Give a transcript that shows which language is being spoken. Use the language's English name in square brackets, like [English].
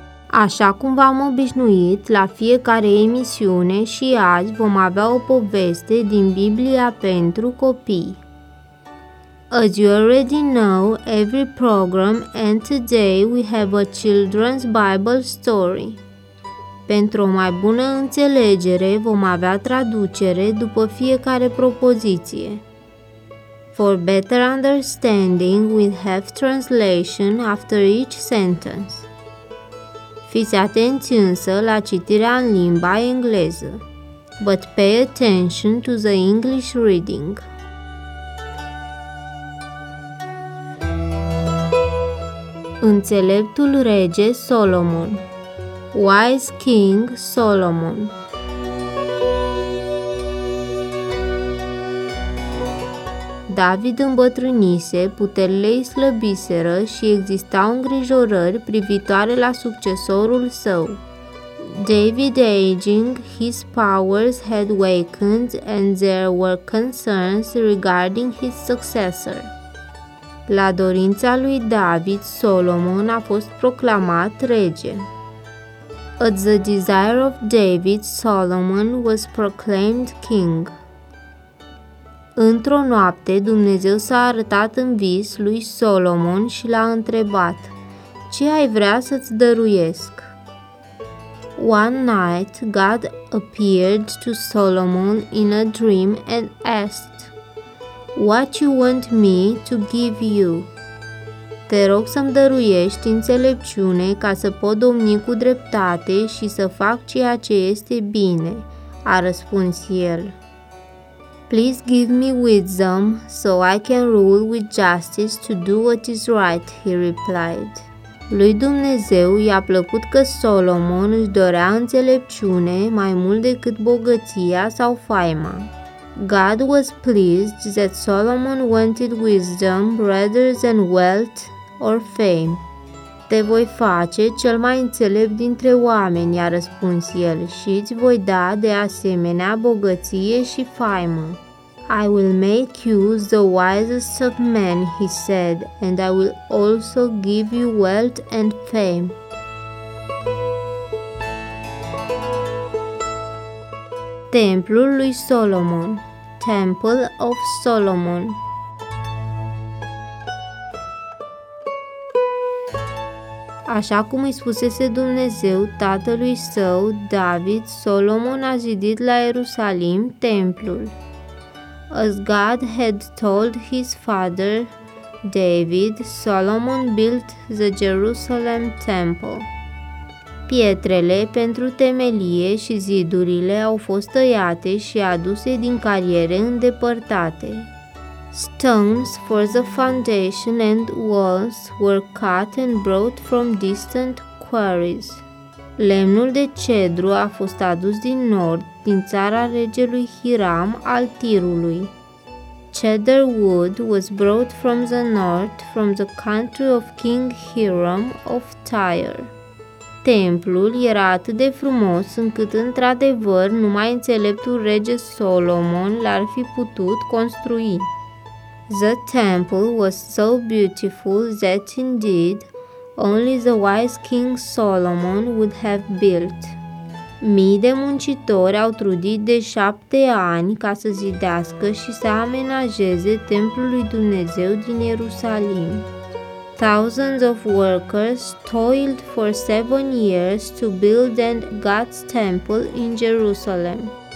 [Romanian] Așa cum v-am obișnuit, la fiecare emisiune și azi vom avea o poveste din Biblia pentru copii. [English] As you already know, every program and today we have a children's Bible story. [Romanian] Pentru o mai bună înțelegere, vom avea traducere după fiecare propoziție. [English] For better understanding, we'll have translation after each sentence. [Romanian] Fiți atenți însă la citirea în limba engleză. [English] But pay attention to the English reading. [Romanian] Înțeleptul rege Solomon. [English] Wise King Solomon. [Romanian] David îmbătrânise, puterile îi slăbiseră și existau îngrijorări privitoare la succesorul său. [English] David aging, his powers had weakened and there were concerns regarding his successor. [Romanian] La dorința lui David, Solomon a fost proclamat rege. [English] At the desire of David, Solomon was proclaimed king. [Romanian] Într-o noapte, Dumnezeu s-a arătat în vis lui Solomon și l-a întrebat, Ce ai vrea să-ți dăruiesc? [English] One night, God appeared to Solomon in a dream and asked, What you want me to give you? [Romanian] Te rog să-mi dăruiești înțelepciune ca să pot domni cu dreptate și să fac ceea ce este bine, a răspuns el. [English] Please give me wisdom so I can rule with justice to do what is right, he replied. [Romanian] Lui Dumnezeu i-a plăcut că Solomon își dorea înțelepciune mai mult decât bogăția sau faima. [English] God was pleased that Solomon wanted wisdom rather than wealth or fame. [Romanian] Te voi face cel mai înțelept dintre oameni, i-a răspuns el, și îți voi da de asemenea bogăție și faimă. [English] I will make you the wisest of men, he said, and I will also give you wealth and fame. [Romanian] Templul lui Solomon, [English] Temple of Solomon. [Romanian] Așa cum îi spusese Dumnezeu tatălui său, David, Solomon a zidit la Ierusalim templul. [English] As God had told his father, David, Solomon built the Jerusalem temple. [Romanian] Pietrele pentru temelie și zidurile au fost tăiate și aduse din cariere îndepărtate. [English] Stones for the foundation and walls were cut and brought from distant quarries. [Romanian] Lemnul de cedru a fost adus din nord, din țara regelui Hiram al Tirului. [English] Cedar wood was brought from the north, from the country of King Hiram of Tyre. [Romanian] Templul era atât de frumos încât, într-adevăr, numai înțeleptul rege Solomon l-ar fi putut construi. [English] The temple was so beautiful that indeed only the wise King Solomon would have built. [Romanian] Mii de muncitori au trudit de 7 ani ca să zidească și să amenajeze templul lui Dumnezeu din Ierusalim. [English] Thousands of workers toiled for 7 years to build God's temple in Jerusalem.